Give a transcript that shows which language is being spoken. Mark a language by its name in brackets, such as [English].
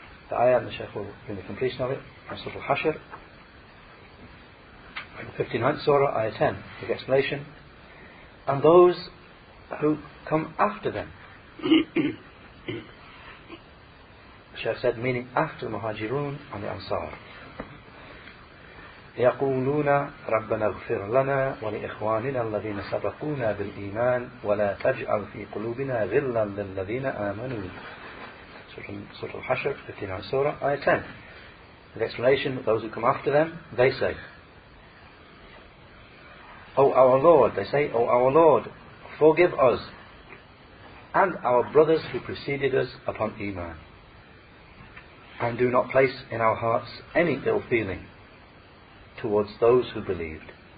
[English] The ayah, and the Shaykh will bring the completion of it, Surah Al-Hashr, 59th Surah, ayah 10, the explanation. And those who come after them, the Shaykh said, meaning after the Muhajirun and the Ansar. [Arabic] يقولون ربنا اغفر لنا ولإخواننا الذين سبقونا بالإيمان ولا تجعل في قلوبنا غلا للذين آمنوا. [English] Surah Al-Hashr, 59 Surah, Ayah 10. The explanation, those who come after them, they say, O our Lord, forgive us and our brothers who preceded us upon Iman, and do not place in our hearts any ill feeling towards those who believed.